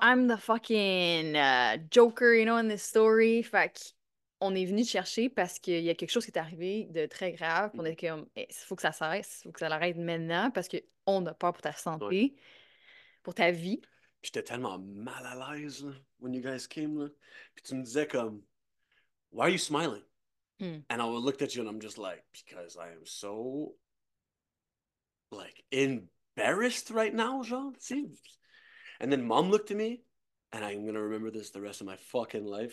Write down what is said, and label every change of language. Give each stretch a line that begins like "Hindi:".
English: I'm the fucking joker, you know, in this story.
French: Fait on est venu te chercher parce qu'il y a quelque chose qui est arrivé de très grave. On est comme, il faut que ça cesse, il faut que ça l'arrête maintenant parce qu'on a peur pour ta santé, pour ta vie. J'étais tellement mal à l'aise when you guys came là.
English: Puis tu me disais comme, why are you smiling? And I looked at you and I'm just like, because I am so like embarrassed right now, genre, tu sais. And then mom looked at me and I'm gonna remember this the rest of my fucking life.